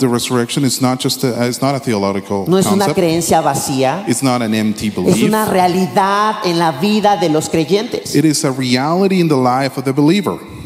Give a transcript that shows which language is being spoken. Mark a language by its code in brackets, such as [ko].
[en] The resurrection is not just it's not a theological concept. [es] No es una creencia vacía. [en] It's not an empty belief. [es] Es una realidad en la vida de los creyentes. [en] It is a reality in the life of the believer.